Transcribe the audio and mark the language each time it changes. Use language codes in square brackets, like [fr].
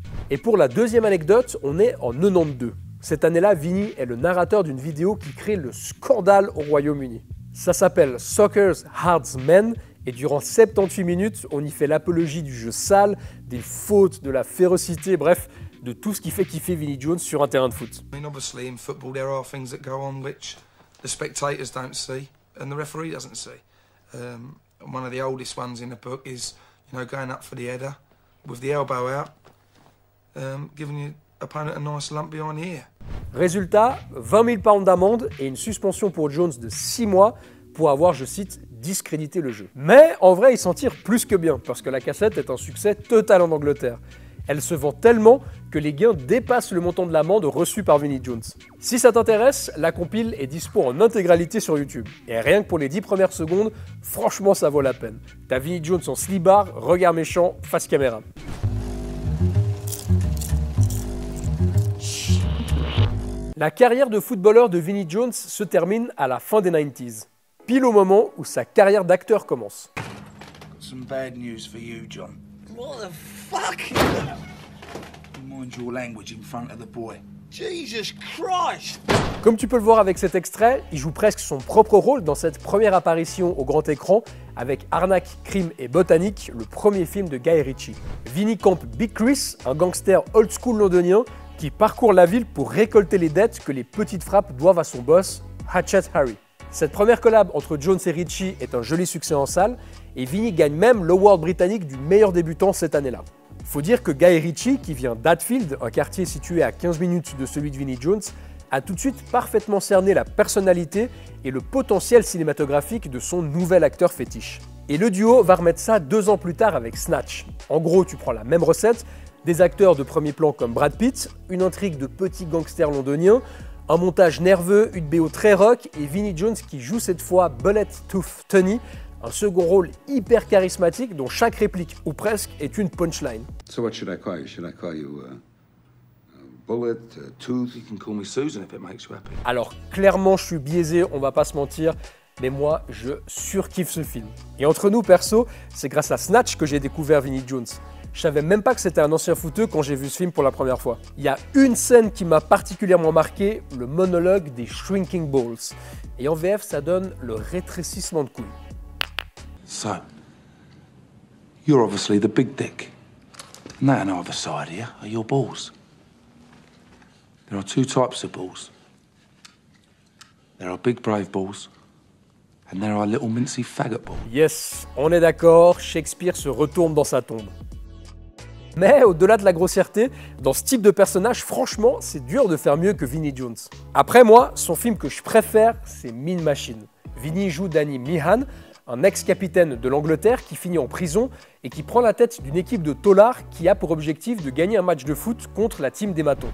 [fr] Et pour la deuxième anecdote, on est en 92. Cette année-là, Vinny est le narrateur d'une vidéo qui crée le scandale au Royaume-Uni. Ça s'appelle Soccer's Hard Men, et durant 78 minutes, on y fait l'apologie du jeu sale, des fautes, de la férocité, bref, de tout ce qui fait kiffer Vinny Jones sur un terrain de foot. [en] Obviously, in football, there are things that go on which the spectators don't see. And the referee doesn't see. One of the oldest ones in the book is, you know, going up for the header with the elbow out, giving your opponent a nice lump behind the ear. [fr] Résultat, 20 000 pounds d'amende et une suspension pour Jones de 6 mois pour avoir, je cite, discrédité le jeu. Mais en vrai, il s'en tire plus que bien parce que la cassette est un succès total en Angleterre. Elle se vend tellement que les gains dépassent le montant de l'amende reçue par Vinny Jones. Si ça t'intéresse, la compile est dispo en intégralité sur YouTube. Et rien que pour les 10 premières secondes, franchement ça vaut la peine. T'as Vinny Jones en slibard, regard méchant, face caméra. La carrière de footballeur de Vinny Jones se termine à la fin des 90s, pile au moment où sa carrière d'acteur commence. [en] Some bad news for you, John. What the fuck? Mind your language in front of the boy. Jesus Christ! [fr] Comme tu peux le voir avec cet extrait, il joue presque son propre rôle dans cette première apparition au grand écran avec Arnaque, Crime et Botanique, le premier film de Guy Ritchie. Vinny campe Big Chris, un gangster old school londonien qui parcourt la ville pour récolter les dettes que les petites frappes doivent à son boss, Hatchet Harry. Cette première collab entre Jones et Ritchie est un joli succès en salle et Vinny gagne même l'award britannique du meilleur débutant cette année-là. Faut dire que Guy Ritchie, qui vient d'Hatfield, un quartier situé à 15 minutes de celui de Vinny Jones, a tout de suite parfaitement cerné la personnalité et le potentiel cinématographique de son nouvel acteur fétiche. Et le duo va remettre ça 2 ans plus tard avec Snatch. En gros, tu prends la même recette, des acteurs de premier plan comme Brad Pitt, une intrigue de petit gangster londonien, un montage nerveux, une BO très rock et Vinny Jones qui joue cette fois Bullet Tooth Tony, un second rôle hyper charismatique dont chaque réplique ou presque est une punchline. [en] So what should I call you? Should I call you Bullet Tooth? You can call me Susan if it makes you happy. [fr] Alors clairement je suis biaisé, on va pas se mentir, mais moi je surkiffe ce film. Et entre nous perso, c'est grâce à Snatch que j'ai découvert Vinny Jones. Je savais même pas que c'était un ancien footeux quand j'ai vu ce film pour la première fois. Il y a une scène qui m'a particulièrement marqué, le monologue des Shrinking Balls. Et en VF, ça donne le rétrécissement de couilles. [en] So, you're obviously the big dick. And that on the other side here are your balls. There are two types of balls. There are big brave balls. And there are little mincy faggot balls. [fr] Yes, on est d'accord, Shakespeare se retourne dans sa tombe. Mais au-delà de la grossièreté, dans ce type de personnage, franchement, c'est dur de faire mieux que Vinny Jones. Après moi, son film que je préfère, c'est Mean Machine. Vinny joue Danny Meehan, un ex-capitaine de l'Angleterre qui finit en prison et qui prend la tête d'une équipe de tolards qui a pour objectif de gagner un match de foot contre la team des matons.